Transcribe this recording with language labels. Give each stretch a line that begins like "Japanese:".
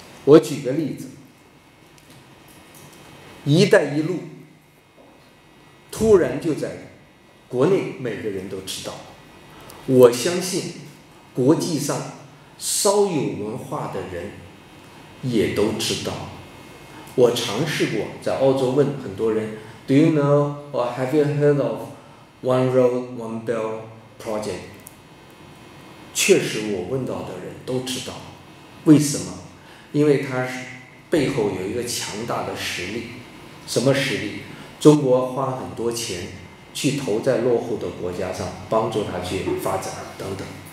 Chinese: 我举个例子，一带一路突然就在国内每个人都知道，我相信国际上稍有文化的人也都知道。我尝试过在澳洲问很多人
English: Do you know or have you heard of One Road, One Belt Project？
Chinese: 确实我问到的人都知道，为什么？因为他背后有一个强大的实力。什么实力？中国花很多钱去投在落后的国家上，帮助他去发展等等。